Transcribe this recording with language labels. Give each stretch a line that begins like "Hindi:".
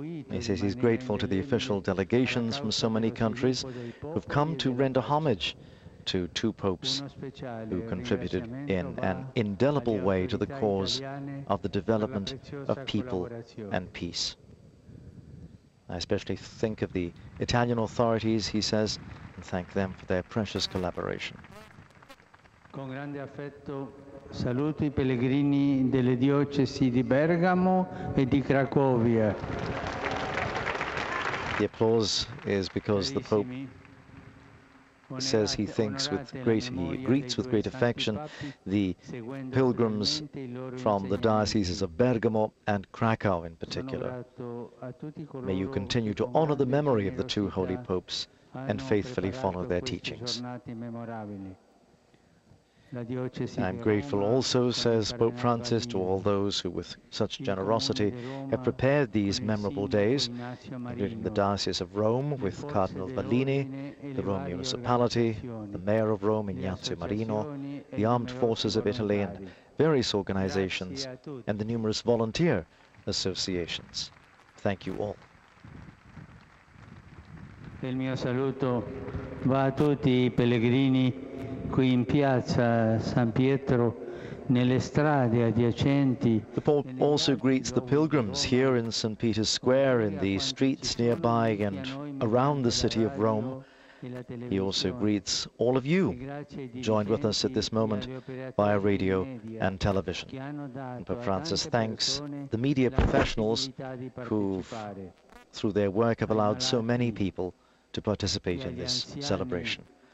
English: He says he's grateful to the official delegations from so many countries who've come to render homage to two popes who contributed in an indelible way to the cause of the development of people and peace. I especially think of the Italian authorities, he says, and thank them for their precious collaboration.
Italian: Con grande affetto saluto I pellegrini delle diocesi di Bergamo e di Cracovia.
English: The applause is because the Pope says he thinks with great, he greets with great affection the pilgrims from the dioceses of Bergamo and Krakow in particular. May you continue to honor the memory of the two holy popes and faithfully follow their teachings. I'm grateful also, says Pope Francis, to all those who with such generosity have prepared these memorable days, including the Diocese of Rome with Cardinal Bellini, the Rome Municipality, the Mayor of Rome, Ignazio Marino, the Armed Forces of Italy and various organizations, and the numerous volunteer associations. Thank you all.
Italian: Il mio saluto va a tutti I pellegrini qui in piazza San Pietro, nelle strade adiacenti.
English: The Pope also greets the pilgrims here in St. Peter's Square, in the streets nearby and around the city of Rome. He also greets all of you, joined with us at this moment by radio and television. And Pope Francis thanks the media professionals who've, through their work, have allowed so many people to participate in this celebration.